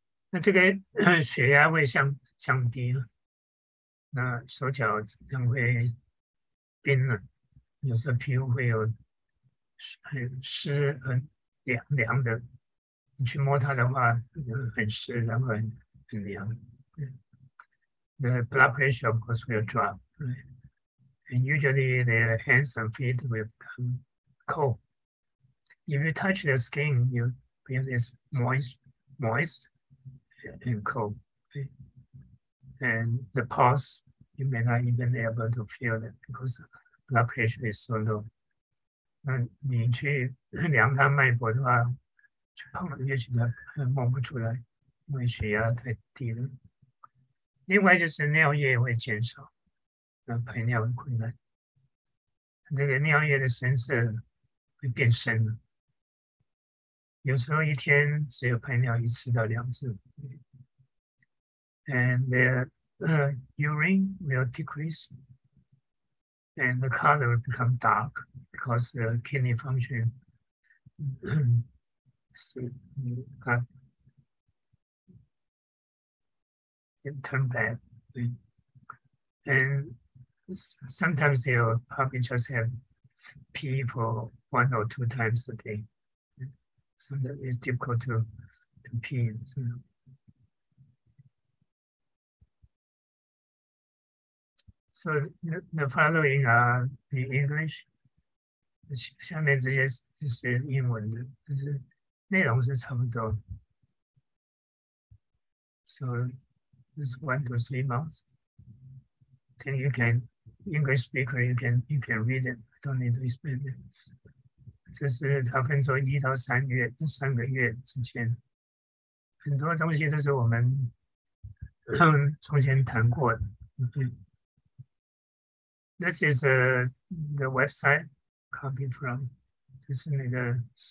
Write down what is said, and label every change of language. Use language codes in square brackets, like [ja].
[zh] 那这个血压会降低，那手脚将会冰冷，有时候皮肤会有很湿很凉凉的，你去摸它的话，很湿，然后很凉。 [en] The blood pressure of course will drop. Right? And usually their hands and feet will become cold. If you touch the skin, you feel it's moist and cold. Okay? And the pulse, you may not even be able to feel it because blood pressure is so low. [zh] 那你去量他脉搏的话，去碰了，也许他摸不出来，因为血压太低了。另外就是尿液会减少，排尿会困难。那个尿液的颜色会变深，有时候一天只有排尿1次到2次。 [en] And the urine will decrease, and the color will become dark because the kidney function so you got it turned bad. And sometimes they'll probably just have pee for 1 or 2 times a day. Sometimes it's difficult to pee. So the following are the English. [zh] 下面这些是英文的，但是内容是差不多。 [en] So this 1 to 3 months. Then you can English speaker, you can read it. Don't need to explain it. [zh] 这是它分作1到3月，3个月之间，很多东西都是我们从前谈过的。 [en] This is the website copy from， [zh] 就是那个。